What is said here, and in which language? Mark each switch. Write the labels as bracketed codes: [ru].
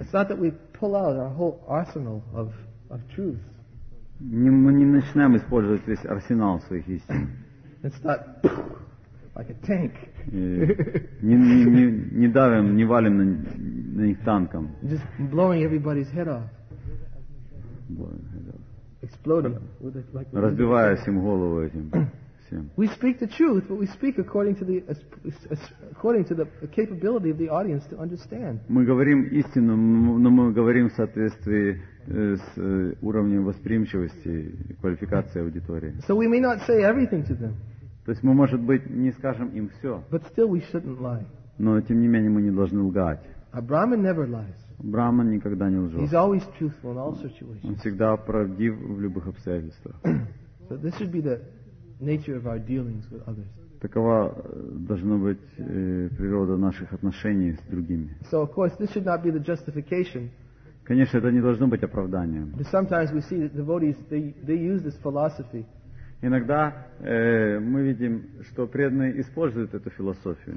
[en] It's not that we pull out our whole arsenal of truth. [ru] Мы не начинаем использовать весь арсенал своих истин. [en] It's not like a tank. [ru] Не давим, не валим на них танком. [en] Just blowing everybody's head off. Exploding. [ru] Разбивая всем голову этим. [en] We speak the truth, but we speak according to the capability of the audience to understand. [ru] Мы говорим истину, но мы говорим в соответствии с уровнем восприимчивости и квалификации аудитории. [en] So we may not say everything to them. [ru] То есть мы, может быть, не скажем им все. [en] But still we shouldn't lie. [ru] Но тем не менее мы не должны лгать. [en] A Brahmin never lies. [ru] Брахман никогда не лжет. [en] He's always truthful in all situations. [ru] Он всегда правдив в любых обстоятельствах. [en] So this should be the nature of our dealings with others. [ru] Такова должна быть природа наших отношений с другими. [en] So of course this should not be the justification. [ru] Конечно, это не должно быть оправданием. [en] But sometimes we see that devotees they use this philosophy. [ru] Иногда мы видим, что преданные используют эту философию.